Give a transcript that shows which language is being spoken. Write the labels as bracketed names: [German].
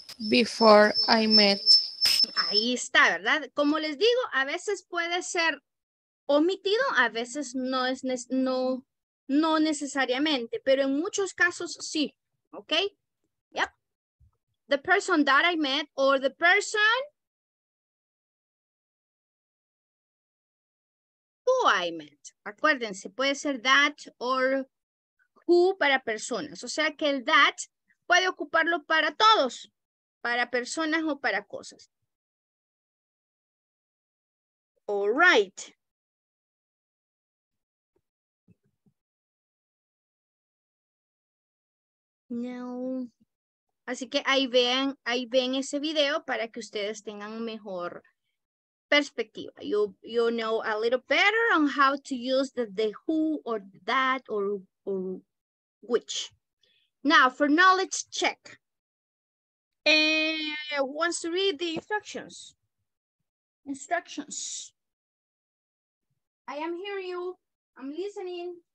[English] Before I met. [Spanish] Ahí está, ¿verdad? Como les digo, a veces puede ser omitido, a veces no es no necesariamente, pero en muchos casos sí, ¿ok? [English] Yep. The person that I met or the person who I met. [Spanish] Acuérdense, puede ser [English] that or who [Spanish] para personas. O sea que el that puede ocuparlo para todos. Para personas o para cosas. [English] All right. No. [Spanish] Así que ahí ven ese video para que ustedes tengan mejor perspectiva. [English] You know a little better on how to use the who or that or which. Now, for knowledge check. Wants to read the instructions. Instructions. I am hearing you. I'm listening.